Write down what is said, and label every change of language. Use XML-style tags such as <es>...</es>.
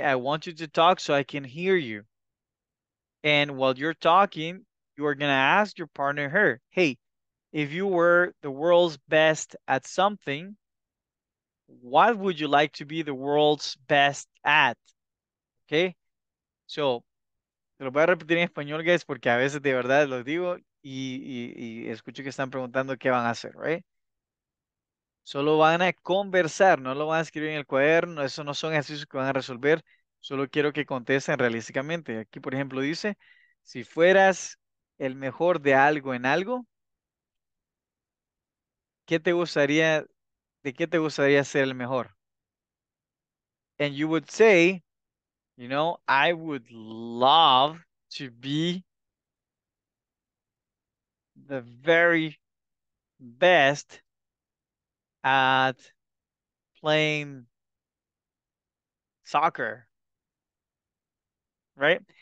<en>I want you to talk so I can hear you. And while you're talking, you are going to ask your partner her, hey, if you were the world's best at something, what would you like to be the world's best at? Okay?</en> <es>So, te lo voy a repetir en español, guys, porque a veces de verdad lo digo y escucho que están preguntando qué van a hacer, right? Solo van a conversar, no lo van a escribir en el cuaderno, esos no son ejercicios que van a resolver. Solo quiero que contesten realísticamente. Aquí, por ejemplo, dice, si fueras el mejor de algo en algo, ¿de qué te gustaría ser el mejor?</es> <en>And you would say, you know, I would love to be the very best at playing soccer. Right?</en>